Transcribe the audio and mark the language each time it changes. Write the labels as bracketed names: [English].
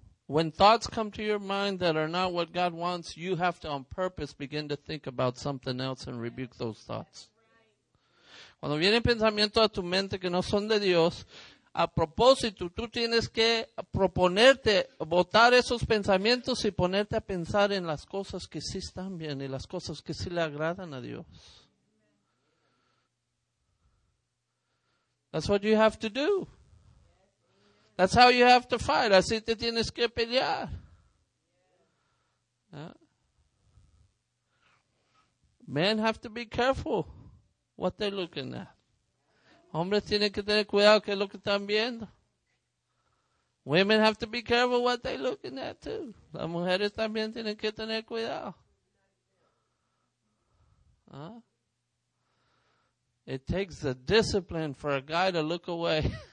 [English] When thoughts come to your mind that are not what God wants, you have to on purpose begin to think about something else and rebuke those thoughts. [Spanish] Cuando vienen pensamientos a tu mente que no son de Dios, a propósito, tú tienes que proponerte, botar esos pensamientos y ponerte a pensar en las cosas que sí están bien y las cosas que sí le agradan a Dios. [English] That's what you have to do. That's how you have to fight. [Spanish] Así te tienes que pelear. [English] Yeah. Men have to be careful what they're looking at. [Spanish] Hombres tienen que tener cuidado que lo que están viendo. [English] Women have to be careful what they're looking at too. [Spanish] Las mujeres también tienen que tener cuidado. [English] Huh? It takes the discipline for a guy to look away.